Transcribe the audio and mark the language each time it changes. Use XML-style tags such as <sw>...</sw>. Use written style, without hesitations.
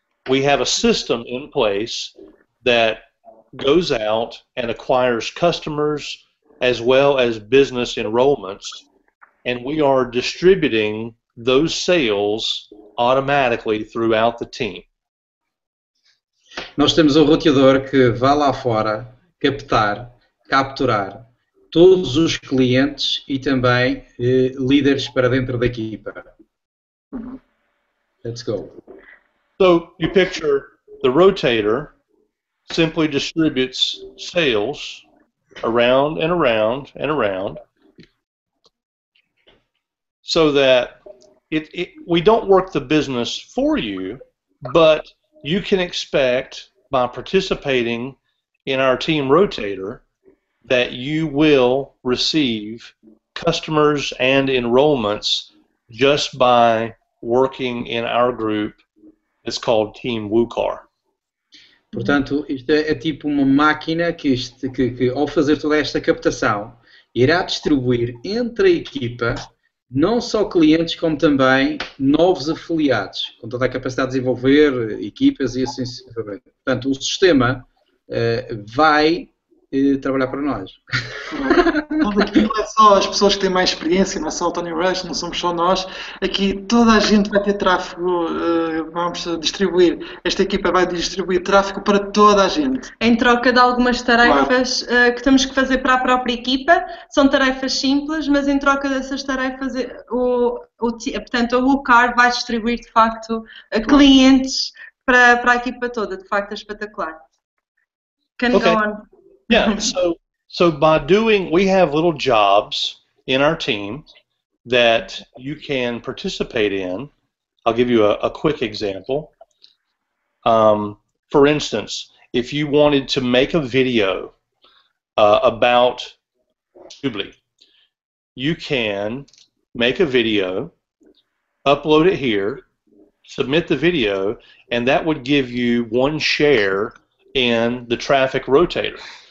<en>We have a system in place that goes out and acquires customers as well as business enrollments, and we are distributing those sales automatically throughout the team.</en> <pt>Nós temos um roteador que vai lá fora capturar todos os clientes e também líderes para dentro da equipa.</pt> <en>Let's go. So, you picture the rotator simply distributes sales around and around and around so that we don't work the business for you, but you can expect by participating in our team rotator that you will receive customers and enrollments just by working in our group. It's called Team WooCar.</en> <pt>Portanto, isto é tipo uma máquina que ao fazer toda esta captação, irá distribuir entre a equipa, não só clientes, como também novos afiliados, com toda a capacidade de desenvolver equipas e assim sucessivamente. Portanto, o sistema vai trabalhar para nós. Tudo aqui não é só as pessoas que têm mais experiência, não é só o Tony Rush, não somos só nós. Aqui toda a gente vai ter tráfego, vamos distribuir, esta equipa vai distribuir tráfego para toda a gente. Em troca de algumas tarefas que temos que fazer para a própria equipa, são tarefas simples, mas em troca dessas tarefas, portanto, o Lucar vai distribuir de facto clientes para a equipa toda, de facto é espetacular.</pt> <en>Can okay. go on. Yeah, so by doing, we have little jobs in our team that you can participate in. I'll give you a quick example. For instance, if you wanted to make a video about Jubilee, you can make a video, upload it here, submit the video, and that would give you one share in the traffic rotator.</en>